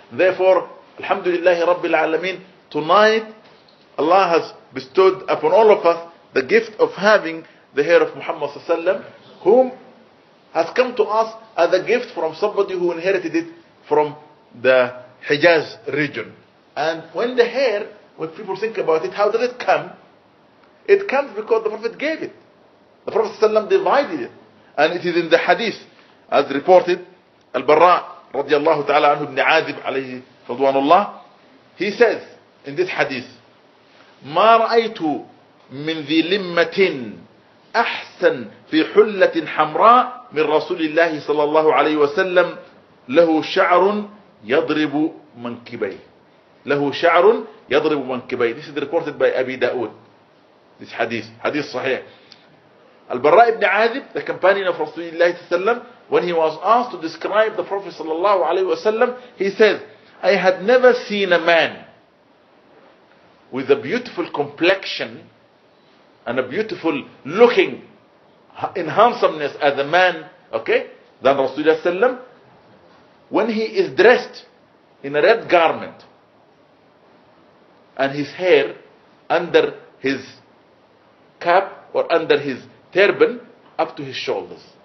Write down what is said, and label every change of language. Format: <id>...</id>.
<en>Therefore, alhamdulillahi rabbil alameen, tonight Allah has bestowed upon all of us the gift of having the hair of Muhammad sallallahu alayhi wa sallam, whom has come to us as a gift from somebody who inherited it from the Hijaz region. And when the hair, when people think about it, how did it come? It comes because the Prophet gave it. The Prophet ﷺ divided it. And it is in the hadith, as reported, Al-Barra radiallahu ta'ala anhu ibn Azib alayhi radwanullah, he says in this hadith,</en> <ar>مَا رَأَيْتُ مِنْ ذِي لِمَّةٍ أَحْسَنْ فِي حُلَّةٍ حَمْرَاءٍ مِنْ رَسُولِ اللَّهِ صَلَى اللَّهُ عَلَيْهِ وَسَلَّمْ لَهُ شَعْرٌ يَضْرِبُ مَنْكِبَيْهِ لَهُ شَعْرٌ يَضْرِبُ مَنْكِبَيْهِ.</ar> <en>This is reported by Abi Dawood. This hadith, hadith sahih. Al-Barra ibn Azib, the companion of Rasulullah sallam, when he was asked to describe the Prophet sallallahu alayhi wa sallam, he says, I had never seen a man with a beautiful complexion and a beautiful looking in handsomeness as a man, okay, than Rasulullah sallam, when he is dressed in a red garment and his hair under his cap or under his turban up to his shoulders.</en>